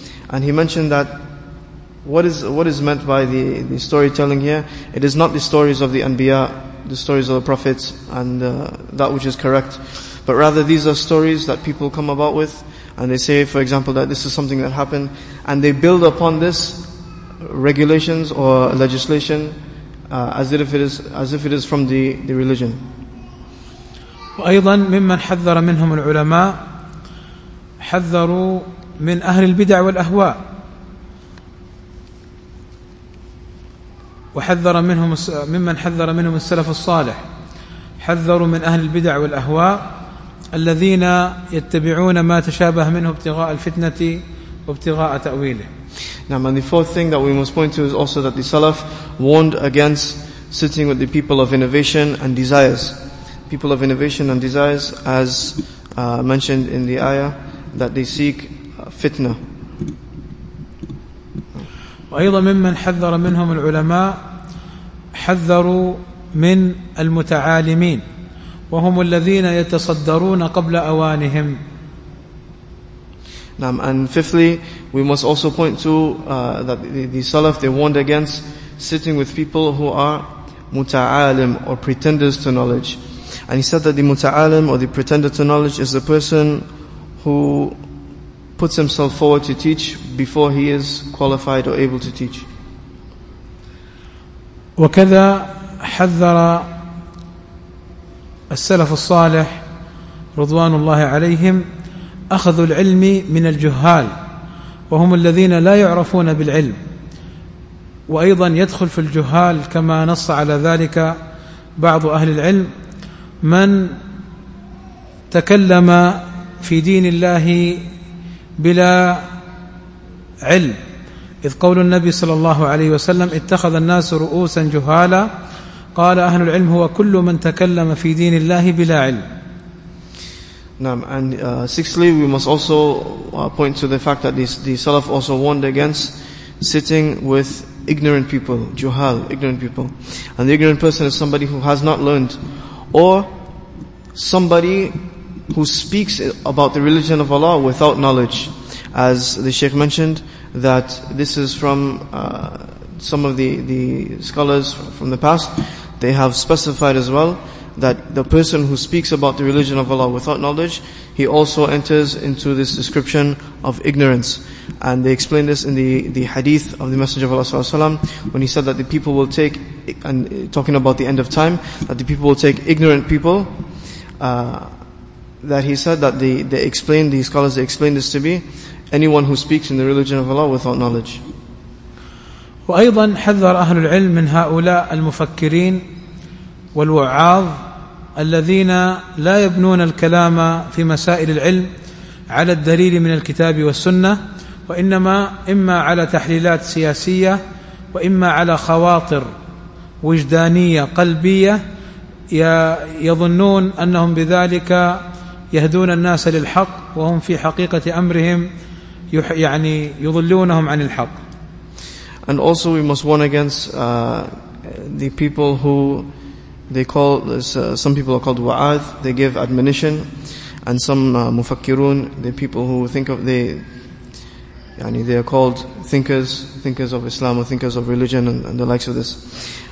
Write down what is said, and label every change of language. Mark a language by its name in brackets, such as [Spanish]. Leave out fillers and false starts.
[English] And he mentioned that what is meant by the storytelling here, it is not the stories of the Anbiya, the stories of the Prophets, and that which is correct, but rather these are stories that people come about with. And they say, for example, that this is something that happened, and they build upon this regulations or legislation as if it is from the religion. [Arabic] وأيضا ممن حذر منهم العلماء حذروا من أهل البدع والأهواء، وحذر منهم ممن حذر منهم السلف الصالح، حذروا من أهل البدع والأهواء الذين يتبعون ما تشابه منه ابتغاء الفتنة وابتغاء تأويله. [English] Now, and the fourth thing that we must point to is also that the Salaf warned against sitting with the people of innovation and desires. People of innovation and desires, as mentioned in the ayah, that they seek fitna. [Arabic] وأيضا ممن حذر منهم العلماء حذروا من المتعالمين وهم الذين يتصدرون قبل أوانهم. [English] Now, and fifthly, we must also point to that the Salaf, they warned against sitting with people who are muta'alim, or pretenders to knowledge. And he said that the muta'alim, or the pretender to knowledge, is the person who puts himself forward to teach before he is qualified or able to teach. [Arabic] وكذا حذر السلف الصالح رضوان الله عليهم أخذوا العلم من الجهال، وهم الذين لا يعرفون بالعلم. وأيضا يدخل في الجهال كما نص على ذلك بعض أهل العلم من تكلم في دين الله بلا علم، إذ قول النبي صلى الله عليه وسلم: اتخذ الناس رؤوسا جهالا، قال أهل العلم: هو كل من تكلم في دين الله بلا علم. نعم. [English] And sixthly, we must also point to the fact that the Salaf also warned against sitting with ignorant people, juhal, ignorant people. And the ignorant person is somebody who has not learned, or somebody who speaks about the religion of Allah without knowledge. As the Shaykh mentioned, that this is from some of the scholars from the past. They have specified as well that the person who speaks about the religion of Allah without knowledge, he also enters into this description of ignorance. And they explain this in the hadith of the Messenger of Allah sallallahu alaihi wasallam, when he said that the people will take, and talking about the end of time, that the people will take ignorant people, that he said that the scholars explain this to be anyone who speaks in the religion of Allah without knowledge. [Arabic] وأيضا حذر أهل العلم من هؤلاء المفكرين والوعاظ الذين لا يبنون الكلام في مسائل العلم على الدليل من الكتاب والسنة، وإنما إما على تحليلات سياسية، وإما على خواطر وجدانية قلبية يظنون أنهم بذلك يهدون الناس للحق، وهم في حقيقة أمرهم يعني يضلونهم عن الحق. [English] And also we must warn against the people who they call this, some people are called wa'ad, they give admonition, and some mufakkirun, the people who think of they are called thinkers of Islam or thinkers of religion and the likes of this.